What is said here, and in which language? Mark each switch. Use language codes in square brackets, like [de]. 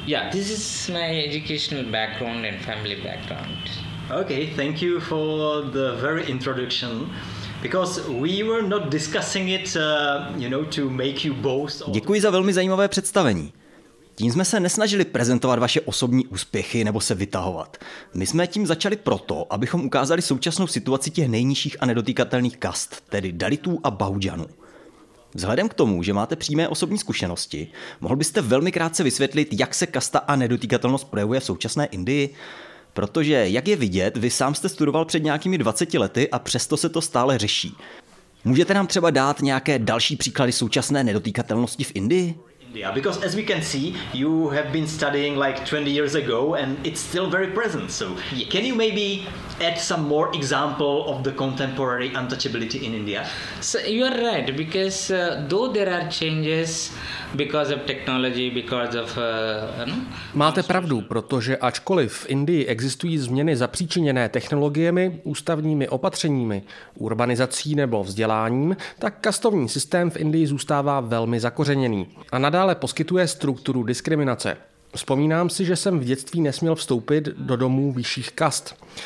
[en] This is my educational background and family background. Okay, thank you for the very introduction, because we were not discussing it, to make you boast. [cs] Děkuji za velmi zajímavé představení. Tím jsme se nesnažili prezentovat vaše osobní úspěchy nebo se vytahovat. My jsme tím začali proto, abychom ukázali současnou situaci těch nejnižších a nedotýkatelných kast, tedy dalitů a bahudžanů. Vzhledem k tomu, že máte přímé osobní zkušenosti, mohl byste velmi krátce vysvětlit, jak se kasta a nedotýkatelnost projevuje v současné Indii? Protože, jak je vidět, vy sám jste studoval před nějakými 20 lety a přesto se to stále řeší. Můžete nám třeba dát nějaké další příklady současné nedotýkatelnosti v Indii? [en] Because as we can see, you have been studying like 20 years ago and it's still very present. So can you maybe add some more example of the contemporary untouchability in India? So you are right, because though there are changes because of technology, because of [cs] Máte pravdu, protože ačkoliv v Indii existují změny zapříčiněné technologiemi, ústavními opatřeními, urbanizací nebo vzděláním, tak kastovní systém v Indii zůstává velmi zakořeněný. A nadále poskytuje strukturu diskriminace. Vzpomínám si, že jsem v dětství nesměl vstoupit do domů vyšších kast.